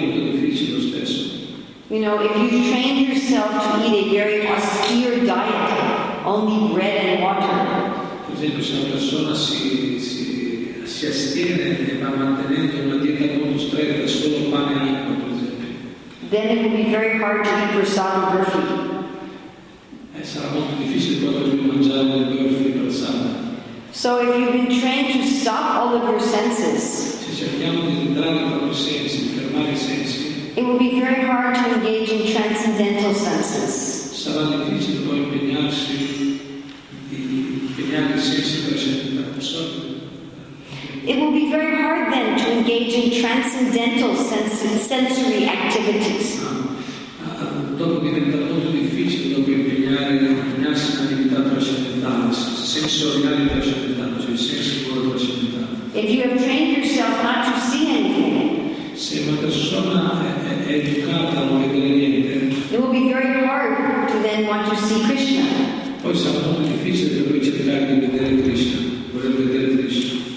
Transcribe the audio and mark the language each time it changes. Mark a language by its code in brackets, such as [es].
[en] You know, if you train yourself to eat a very austere diet, only bread and water, [it] si astiene e va mantenendo una dieta molto stretta, solo pane e acqua, per esempio. [en] Then it will be very hard to eat prasadam burfi. [it] E sarà molto difficile poter mangiare il burfi prasadam. [en] So if you've been trained to stop all of your senses, [it] se cerchiamo di entrare nei propri sensi, di fermare i sensi, [en] it will be very hard to engage in transcendental senses. [it] Sarà difficile poi impegnare i sensi trascendentali. [en] It will be very hard then to engage in transcendental sensory activities. [it] Dopo diventa molto difficile dopo impegnarsi in attività trascendentale, sensoriali trascendentali, cioè sensi fuori trascendentale. [en] If you have trained yourself not to see anything, [it] se una persona è educata a non vedere niente, [en] it will be very hard to then want to see Krishna. [it] Poi sarà molto difficile dopo cercare di vedere Krishna, voler vedere Krishna.